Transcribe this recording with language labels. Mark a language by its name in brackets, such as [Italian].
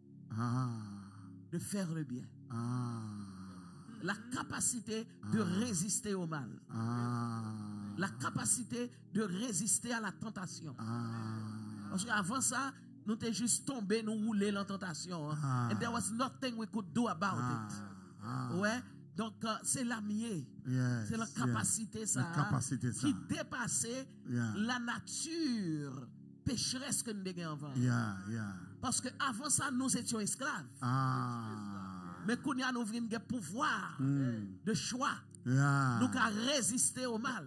[French] Ah. De faire le bien. Ah. La capacité de résister au mal. Ah. La capacité de résister à la tentation. Ah. Parce qu'avant ça, nous étions juste tombés, nous roulés dans la tentation. Hein. Ah. [English] And there was nothing we could do about it. Ah. [French] Ouais. Donc, c'est l'amier. [English] Yes. [French] C'est la capacité, [English] yes. [French] ça, la capacité qui dépassait la nature pécheresse que nous avons avant. Parce que avant ça, nous étions esclaves. Ah. Mais quand nous avons le pouvoir de choix, nous avons résisté au mal.